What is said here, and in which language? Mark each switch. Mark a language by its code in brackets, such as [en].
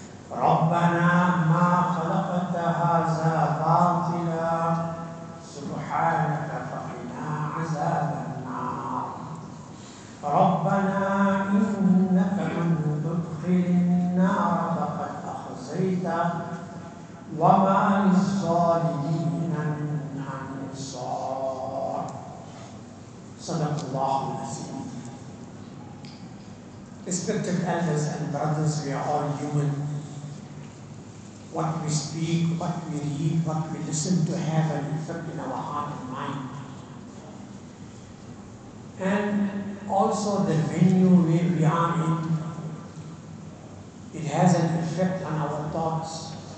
[ar] Rabbana ma khalaqta hadha batila سبحانك فقنا عذاب النار. ربنا إنك من تدخل النار فقد أخزيته وما للظالمين من أنصار. صدق الله العظيم. [en] Respected elders and brothers, we are all human. What we speak, what we read, what we listen to have an effect in our heart and mind. And also the venue where we are in, it has an effect on our thoughts.